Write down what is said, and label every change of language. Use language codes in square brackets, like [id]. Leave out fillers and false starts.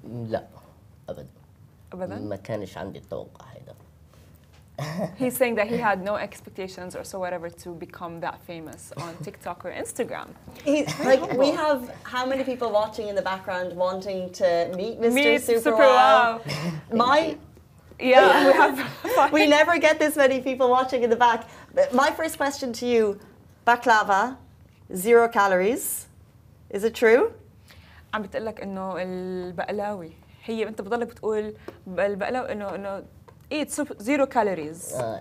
[ar] لا أبدا ما كانش عندي توقع هذا. [en] He's saying that he had no expectations or so whatever to become that famous on TikTok or Instagram. Like we have how many people watching in the background wanting to meet Super Wow. My yeah, we have. We never get this many people watching in the back. My first question to you: baklava, zero calories. Is it true? [ar] عم بتقول لك إنه البقلاوي هي أنت بضل بتقول بالبقلاوي إنه [en] eat zero calories.